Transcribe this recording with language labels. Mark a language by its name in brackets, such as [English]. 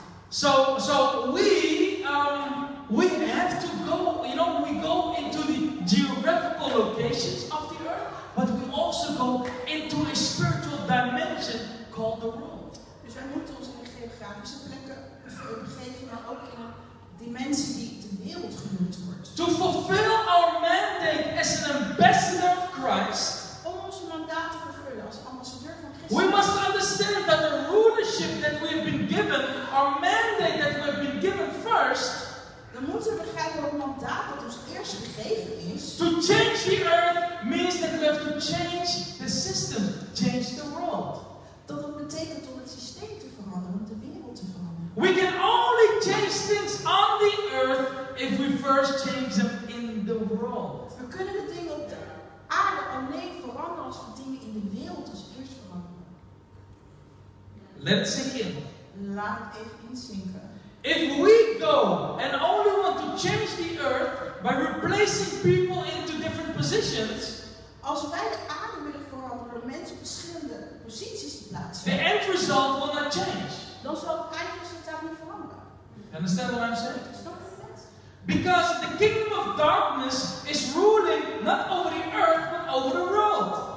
[English] So we have to go, you know, we go into the geographical locations of the earth, but we also go into a spiritual dimension called the world. [Dutch] Dus wij moeten ons in de geografische plekken begeven, maar ook in een dimensie die de wereld genoemd wordt. [English] To fulfill our mandate as an ambassador of Christ. [Dutch] Om onze mandaat te vervullen als ambassadeur van Christus. [English] We must understand that the rulership that we have been given, our mandate that we have been given first. [Dutch] We moeten begrijpen dat het mandaat dat ons eerst gegeven is. [English] To change the earth means that we have to change the system, change the world. [Dutch] Dat het betekent om het systeem te veranderen, om de wereld te veranderen. [English] We can only change things on the earth if we first change them in the world. [Dutch] We kunnen de dingen op de aarde alleen veranderen als we dingen in de wereld als eerst veranderen. [English] Let it sink in. [Dutch] Laat even inzinken. [English] If we go and only want to change the earth by replacing people into different positions, [Dutch] als wij de aarde willen veranderen, mensen verschillende posities te plaatsen, [English] the end result will not change. [Dutch] Dan zal het eindresultaat niet veranderen. [English] Understand what I'm saying? Because the kingdom of darkness is ruling not over the earth but over the world.